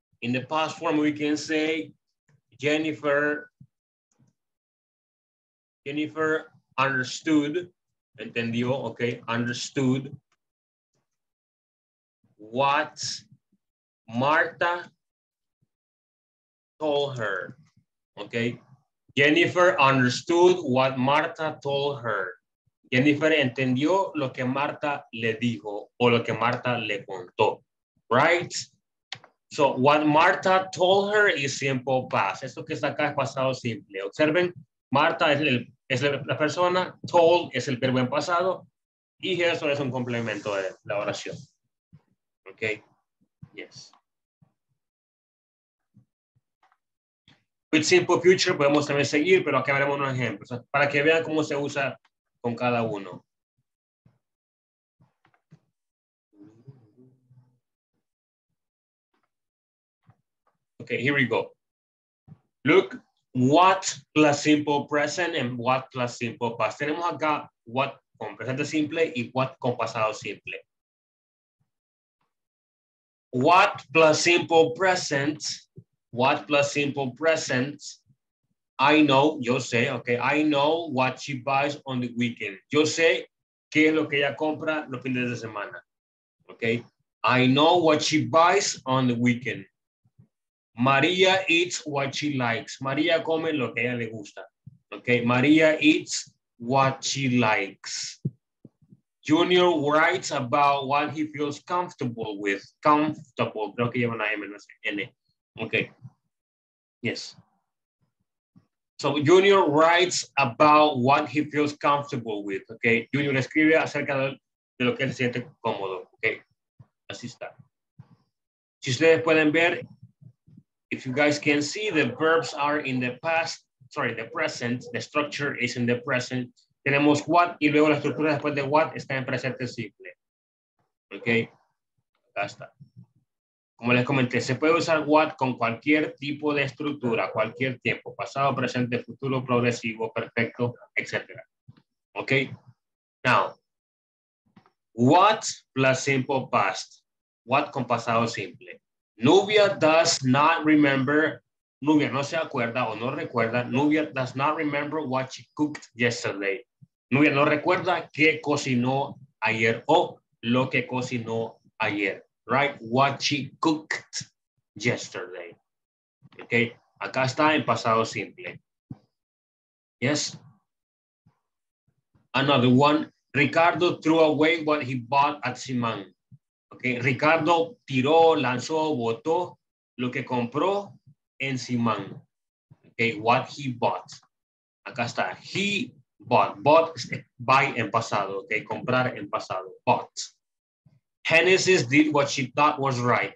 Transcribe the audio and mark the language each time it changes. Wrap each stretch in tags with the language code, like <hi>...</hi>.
<en>In the past form, we can say Jennifer understood,</en> <es>entendió,</es> <en>okay, understood what Marta told her, okay? Jennifer understood what Marta told her.</en> <es>Jennifer entendió lo que Marta le dijo o lo que Marta le contó, right?</es> <en>So what Marta told her is simple past.</en> <es>Esto que está acá es pasado simple. Observen, Marta es el es la persona, told es el verbo en pasado, y eso es un complemento de la oración.</es> <en>Ok, yes. With simple future</en> <es>podemos también seguir, pero aquí haremos un ejemplo, o sea, para que vean cómo se usa con cada uno.</es> <en>Ok, here we go. Look. What plus simple present and what plus simple past.</en> <es>Tenemos acá what con presente simple y what con pasado simple.</es> <en>What plus simple present. What plus simple present. I know,</en> <es>yo sé,</es> <en>okay. I know what she buys on the weekend.</en> <es>Yo sé qué es lo que ella compra los fines de semana.</es> <en>Okay. I know what she buys on the weekend. Maria eats what she likes.</en> <es>Maria come lo que ella le gusta.</es> <en>Okay, Maria eats what she likes. Junior writes about what he feels comfortable with.</en> <es>Comfortable, creo que lleva una M, no sé, N.</es> <en>Okay, yes. So Junior writes about what he feels comfortable with.</en> <es>Okay, Junior escribe acerca de lo que él se siente cómodo. Okay, así está. Si ustedes pueden ver,</es> <en>if you guys can see, the verbs are in the past, sorry, the present, the structure is in the present.</en> <es>Tenemos what, y luego la estructura después de what está en presente simple. Okay, acá está. Como les comenté, se puede usar what con cualquier tipo de estructura, cualquier tiempo, pasado, presente, futuro, progresivo, perfecto, etc.</es> <en>Okay, now, what plus simple past, what</en> <es>con pasado simple.</es> <en>Nubia does not remember,</en> <es>Nubia no se acuerda o no recuerda,</es> <en>Nubia does not remember what she cooked yesterday.</en> <es>Nubia no recuerda qué cocinó ayer o lo que cocinó ayer, right?</es> <en>What she cooked yesterday. Okay,</en> <es>acá está en pasado simple.</es> <en>Yes? another one. Ricardo threw away what he bought at Simán.</en> <es>Okay, Ricardo tiró, lanzó, botó lo que compró en Simán.</es> <en>Okay, what he bought.</en> <es>Acá está.</es> <en>He bought.</en> <es>Bought, buy en pasado. Okay, comprar en pasado. Bought.</es> <en>Hennessy did what she thought was right.</en>